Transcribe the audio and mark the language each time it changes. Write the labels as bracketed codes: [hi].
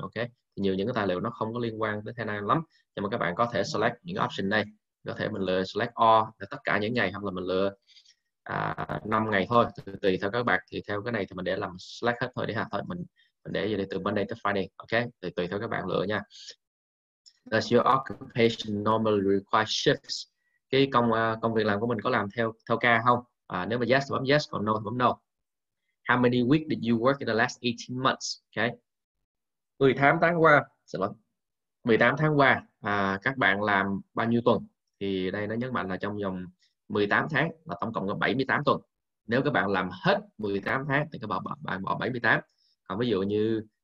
[vi] Ok, thì nhiều những cái tài liệu nó không có liên quan tới thanh lắm, nhưng mà các bạn có thể select những option này, có thể mình lựa select all tất cả những ngày, hoặc là mình lựa 5 ngày thôi, tùy theo các bạn. Thì theo cái này thì mình để làm select hết thôi đi ha. Thôi mình để vậy từ Monday tới Friday. Ok, thì tùy theo các bạn lựa nha. [en] Does your occupation normally require shifts? [vi] Cái công việc làm của mình có làm theo ca không? Nếu mà yes thì bấm yes, còn no thì bấm no. [en] How many weeks did you work in the last 18 months? [vi] Okay. 18 tháng qua, xin lỗi. 18 tháng qua, các bạn làm bao nhiêu tuần? Thì đây nó nhấn mạnh là trong vòng 18 tháng là tổng cộng là 78 tuần. Nếu các bạn làm hết 18 tháng thì các bạn bỏ 78. Còn ví dụ như